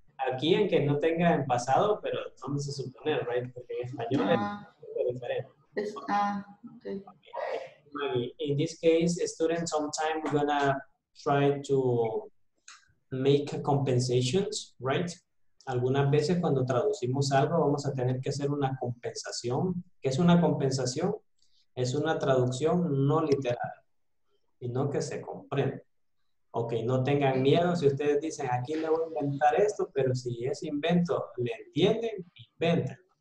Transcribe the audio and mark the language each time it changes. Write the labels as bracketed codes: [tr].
[es] Aquí en que no tenga en pasado, pero vamos a suponer, right? Porque en español es diferente. [en] Okay. In this case, students, sometimes we're gonna try to make compensations, right? [es] Algunas veces cuando traducimos algo, vamos a tener que hacer una compensación. ¿Qué es una compensación? Es una traducción no literal, sino que se comprende. Ok, no tengan miedo si ustedes dicen, aquí le voy a inventar esto, pero si es invento, le entienden, inventan.